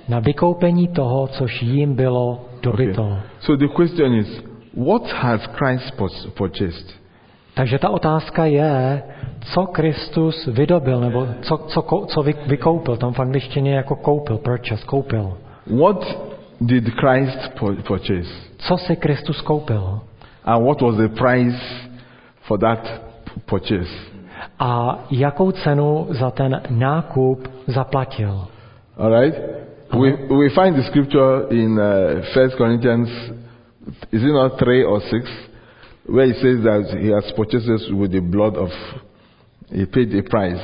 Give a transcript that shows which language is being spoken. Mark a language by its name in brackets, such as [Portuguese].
[Czech] Na vykoupení toho, což jim bylo dobyto. [English] Okay. So the question is, what has Christ purchased? [Czech] Takže ta otázka je, co Kristus vydobil, nebo co vykoupil. Tam v angličtině jako koupil, purchase, koupil. [English] What did Christ purchase? [Czech] Co si Kristus koupil? [English] And what was the price for that purchase? [Czech] A jakou cenu za ten nákup zaplatil? [English] All right. We find the scripture in 1 Corinthians, is it not 3 or 6, where it says that he has purchased us with the blood of, he paid the price.